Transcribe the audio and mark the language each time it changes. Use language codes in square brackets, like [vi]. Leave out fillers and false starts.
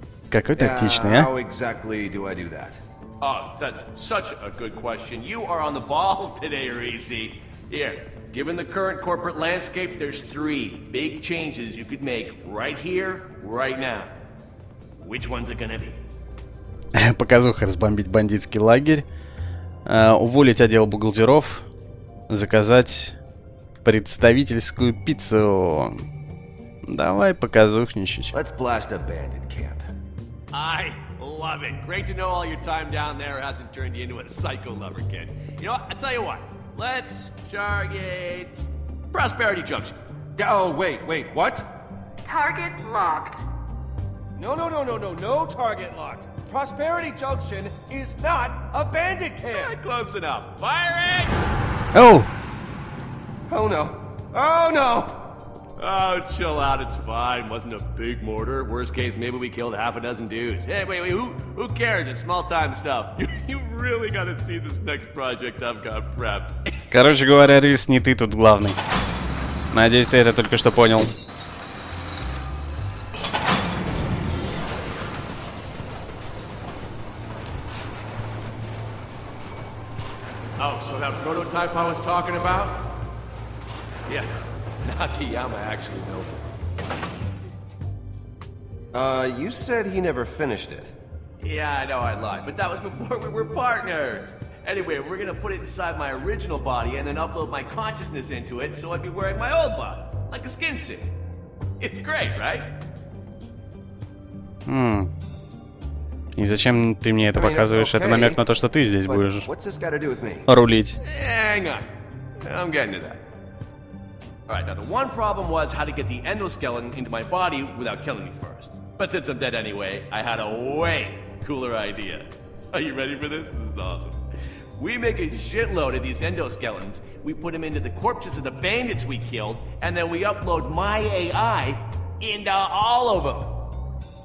[ru] Какой тактичный, а? [en] How exactly do I do that? Oh, that's such a good question. You are on the ball today, Reese. Here. Given the current corporate landscape, there's three big changes you could make right here, right now. Which one's it gonna be? [ru] Показуха, разбомбить бандитский лагерь, уволить отдел бухгалтеров, заказать представительскую пиццу. Давай, показухничать. [en] Let's blast a bandit camp. I love it. Great to know all your time down there hasn't turned you into a psycho lover, kid. You know what? I'll tell you what. Let's target Prosperity Junction. Oh, wait, what? Target locked. No target locked. Prosperity Junction is not a bandit camp. Close enough. Fire it! Oh! Oh, no. Oh, no! Oh, chill out, it's fine. Wasn't a big mortar. Worst case, maybe we killed half a dozen dudes. Hey, wait, who cares? It's small-time stuff. You really gotta see this next project I've got prepped. [ru] Короче говоря, Рис, не ты тут главный. Надеюсь, ты это только что понял. [en] Oh, so that prototype I was talking about? Yeah. Nakayama actually built it. You said he never finished it. Yeah, I know I lied, but that was before we were partners. Anyway, we're gonna put it inside my original body and then upload my consciousness into it so I'd be wearing my old body, like a skin suit. It's great, right? [ru] И зачем ты мне это показываешь? Это намек на то, что ты здесь будешь рулить. [en] Hang on. I'm getting to that. Alright, now the one problem was how to get the endoskeleton into my body without killing me first. But since I'm dead anyway, I had a way cooler idea. Are you ready for this? This is awesome. We make a shitload of these endoskeletons, we put them into the corpses of the bandits we killed, and then we upload my AI into all of them.